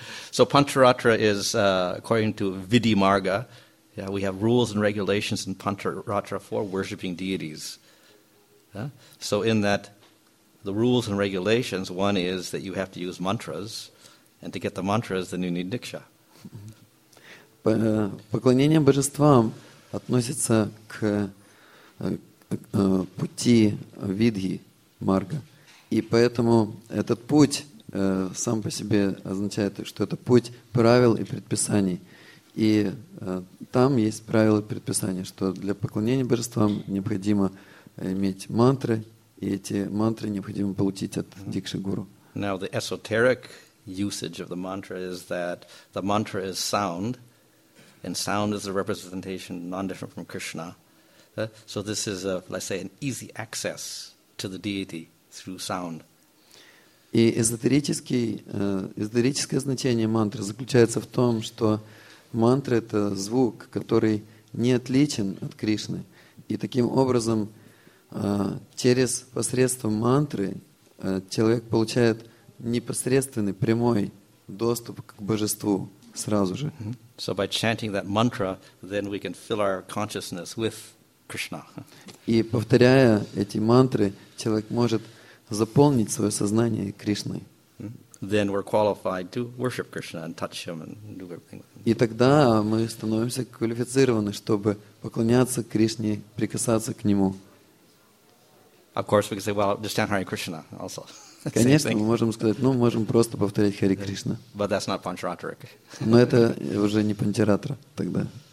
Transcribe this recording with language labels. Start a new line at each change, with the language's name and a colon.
English: So Pancharatra is according to Vidhimarga. Yeah, we have rules and regulations in Pancharatra for worshiping deities. Yeah? So in that, the rules and regulations, one is that you have to use mantras, and to get the mantras, then you need diksha.
Russian: Поклонение божествам относится к пути Видхи, Марга. И поэтому этот путь сам по себе означает, что это путь правил и предписаний. И там есть правила и предписания, что для поклонения божествам необходимо иметь мантры, и эти мантры необходимо получить от Дикши Гуру.
English: Now the esoteric usage of the mantra is that the mantra is sound. And sound is a representation non-different from Krishna. So this is, an easy access to the deity through sound.
Russian: И эзотерическое значение мантры заключается в том, что мантра — это звук, который не отличен от Кришны. И таким образом, через посредством мантры человек получает непосредственный, прямой доступ к божеству сразу же.
English: So by chanting that mantra, then we can fill our consciousness with Krishna.
Russian: И повторяя эти мантры, человек может заполнить свое сознание Кришной.
English: Then we're qualified to worship Krishna and touch him and do everything with him.
Russian: И тогда мы становимся квалифицированы, чтобы поклоняться Кришне, прикасаться к нему.
English: Of course, we can say, well, just chant Hare Krishna also.
Russian: Конечно, мы можем сказать, можем просто повторять Хари Кришна.
English: But that's not Pancharatrik.
Russian: Но это уже не Панчаратра тогда.